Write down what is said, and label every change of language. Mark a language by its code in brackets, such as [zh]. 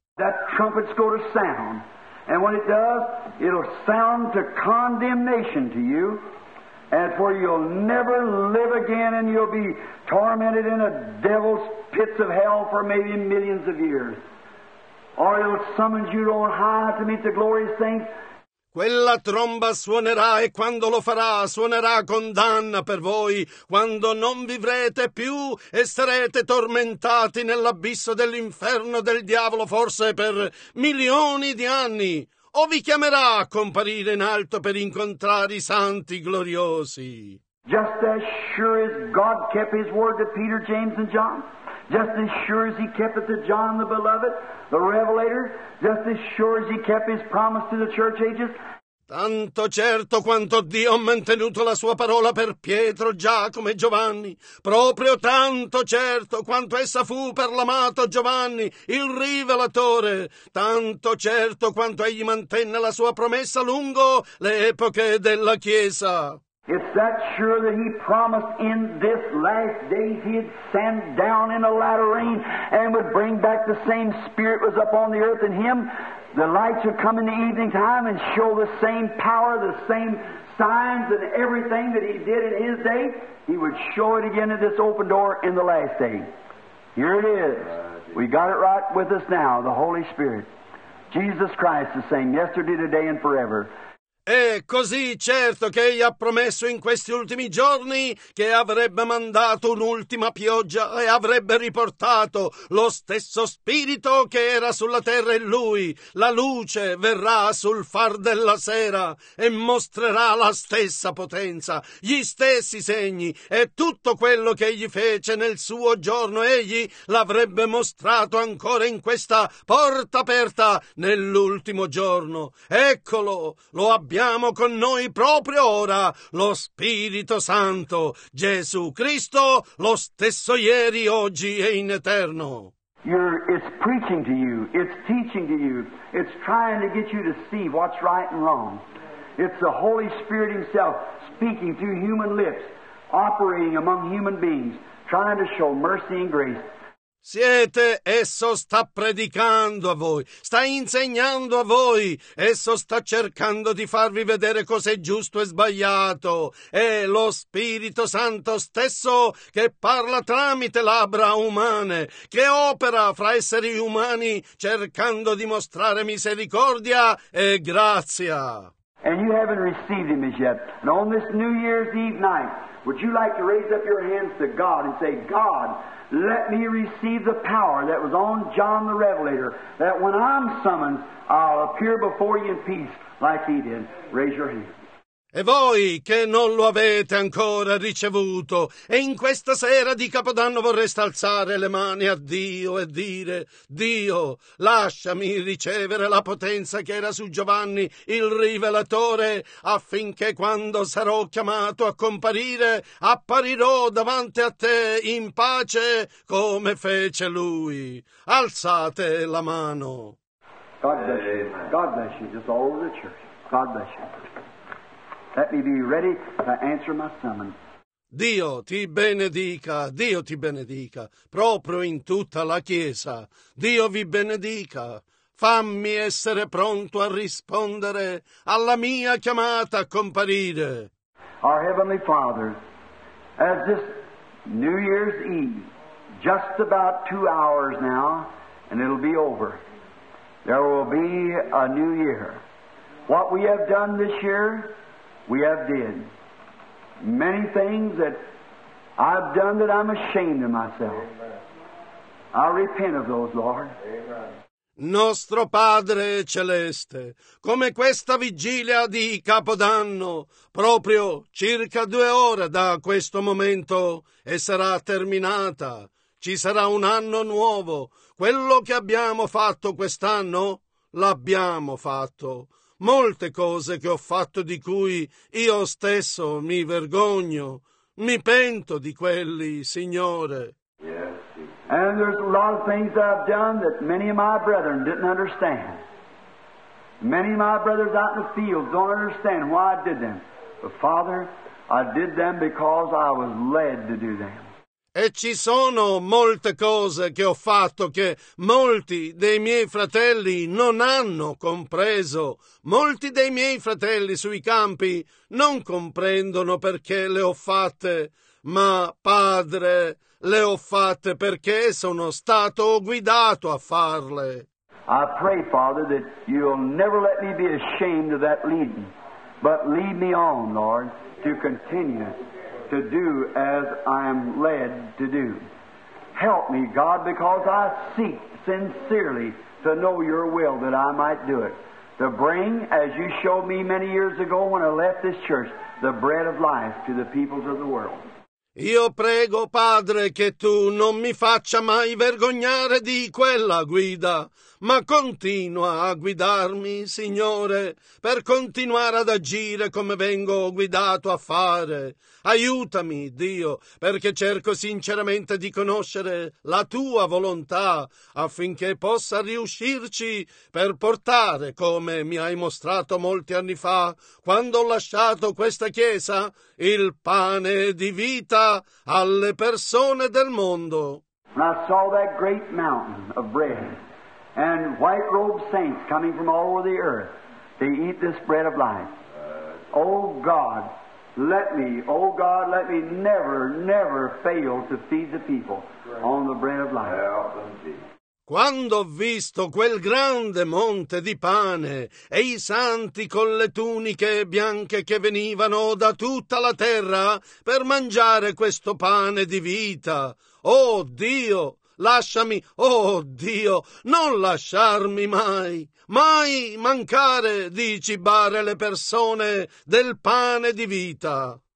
[en] That trumpet's going to sound, and when it does, it'll sound to condemnation to you, and for you'll never live again, and you'll be tormented in a devil's pits of hell for maybe millions of years. Or it'll summon you on high to meet the glorious saints. [it] Quella tromba suonerà e quando lo farà suonerà condanna per voi, quando non vivrete più e sarete tormentati nell'abisso dell'inferno del diavolo forse per milioni di anni, o vi chiamerà a comparire in alto per incontrare i santi gloriosi. [en] Just as sure as God kept his word to Peter, James and John, just as sure as he kept it to John the Beloved, the Revelator, just as sure as he kept his promise to the church ages. [it] Tanto certo quanto Dio ha mantenuto la sua parola per Pietro, Giacomo e Giovanni, proprio tanto certo quanto essa fu per l'amato Giovanni, il Rivelatore, tanto certo quanto egli mantenne la sua promessa lungo le epoche della Chiesa. [en] It's that sure that he promised in this last day he'd send down in a latter rain and would bring back the same spirit was upon the earth in him. The light should come in the evening time and show the same power, the same signs and everything that he did in his day. He would show it again at this open door in the last day. Here it is. We got it right with us now, the Holy Spirit. Jesus Christ the same yesterday, today, and forever. [it] È così certo che egli ha promesso in questi ultimi giorni che avrebbe mandato un'ultima pioggia e avrebbe riportato lo stesso spirito che era sulla terra in lui. La luce verrà sul far della sera e mostrerà la stessa potenza, gli stessi segni e tutto quello che egli fece nel suo giorno. Egli l'avrebbe mostrato ancora in questa porta aperta nell'ultimo giorno. Eccolo, lo abbiamo con noi proprio ora, lo Spirito Santo, Gesù Cristo, lo stesso ieri, oggi e in eterno. [en] It's preaching to you, it's teaching to you, it's trying to get you to see what's right and wrong. It's the Holy Spirit Himself speaking through human lips, operating among human beings, trying to show mercy and grace. [it] Siete, esso sta predicando a voi, sta insegnando a voi, esso sta cercando di farvi vedere cos'è giusto e sbagliato. È lo Spirito Santo stesso che parla tramite labbra umane, che opera fra esseri umani cercando di mostrare misericordia e grazia. [en] And you haven't received him as yet. And on this New Year's Eve night, would you like to raise up your hands to God and say, God, let me receive the power that was on John the Revelator, that when I'm summoned, I'll appear before you in peace like he did. Raise your hand. [it] E voi che non lo avete ancora ricevuto e in questa sera di Capodanno vorreste alzare le mani a Dio e dire: Dio, lasciami ricevere la potenza che era su Giovanni il Rivelatore, affinché quando sarò chiamato a comparire apparirò davanti a te in pace come fece lui. Alzate la mano. [en] God bless you. God bless you. Just all over the church. God bless you. Let me be ready to answer my summons. [it] Dio ti benedica, Dio ti benedica, proprio in tutta la Chiesa. Dio vi benedica. Fammi essere pronto a rispondere alla mia chiamata a comparire. [en] Our Heavenly Father, as this New Year's Eve, just about 2 hours now, and it'll be over, there will be a new year. What we have done this year, we have did many things that I've done that I'm ashamed of myself. Amen. I repent of those, Lord. Amen. [it] Nostro Padre Celeste, come questa vigilia di Capodanno, proprio circa 2 ore da questo momento e sarà terminata, ci sarà un anno nuovo. Quello che abbiamo fatto quest'anno, l'abbiamo fatto. Molte cose che ho fatto di cui io stesso mi vergogno, mi pento di quelli, Signore. [en] And there's a lot of things I've done that many of my brethren didn't understand. Many of my brothers out in the field don't understand why I did them. But Father, I did them because I was led to do them. [it] E ci sono molte cose che ho fatto che molti dei miei fratelli non hanno compreso. Molti dei miei fratelli sui campi non comprendono perché le ho fatte, ma, Padre, le ho fatte perché sono stato guidato a farle. [en] I pray, Father, that you'll never let me be ashamed of that leading, but lead me on, Lord, to continue to do as I am led to do. Help me, God, because I seek sincerely to know your will that I might do it. To bring, as you showed me many years ago when I left this church, the bread of life to the peoples of the world. [it] Io prego, Padre, che tu non mi faccia mai vergognare di quella guida, ma continua a guidarmi, Signore, per continuare ad agire come vengo guidato a fare. Aiutami, Dio, perché cerco sinceramente di conoscere la tua volontà affinché possa riuscirci per portare, come mi hai mostrato molti anni fa, quando ho lasciato questa chiesa, il pane di vita alle persone del mondo. [en] And I saw that great mountain of bread and white-robed saints coming from all over the earth. They eat this bread of life. Oh God, let me, oh God, let me never, never fail to feed the people on the bread of life. [it] Quando ho visto quel grande monte di pane e i santi con le tuniche bianche che venivano da tutta la terra per mangiare questo pane di vita, oh Dio, lasciami, oh Dio, non lasciarmi mai, mai mancare di cibare le persone del pane di vita.